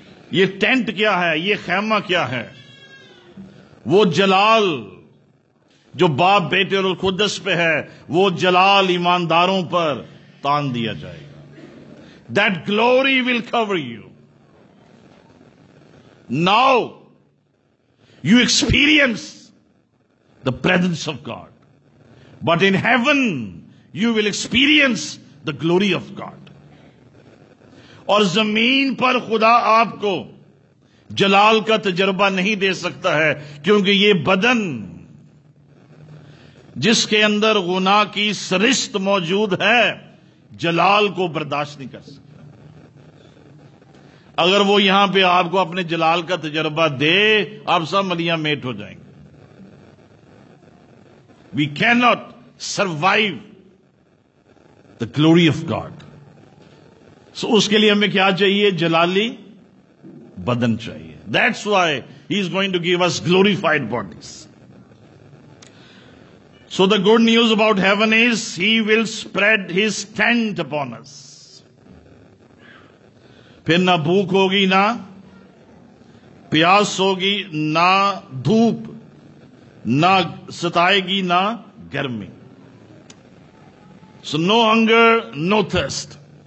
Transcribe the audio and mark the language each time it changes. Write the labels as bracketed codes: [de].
[ur] یہ ٹینٹ کیا ہے؟ یہ خیمہ کیا ہے؟ وہ جلال جو باپ بیٹے اور القدس پہ ہے، وہ جلال ایمانداروں پر تان دیا جائے گا. [en] That glory will cover you. Now, you experience the presence of God. But in heaven, you will experience the glory of God. [ur] اور زمین پر خدا آپ کو جلال کا تجربہ نہیں دے سکتا ہے کیونکہ یہ بدن جس کے اندر گناہ کی سرشت موجود ہے جلال کو برداشت نہیں کر سکتا. اگر وہ یہاں پہ آپ کو اپنے جلال کا تجربہ دے آپ سب ملیاں میٹ ہو جائیں گے. [en] We cannot survive the glory of God. [ur] So, اس کے لیے ہمیں کیا چاہیے؟ جلالی بدن چاہیے. [en] That's why he is going to give us glorified bodies. So the good news about heaven is he will spread his tent upon us. [ur] پھر نہ بھوک ہوگی نہ پیاس ہوگی نہ دھوپ نہ ستائے گی نہ گرمی. [en] So no hunger, no thirst.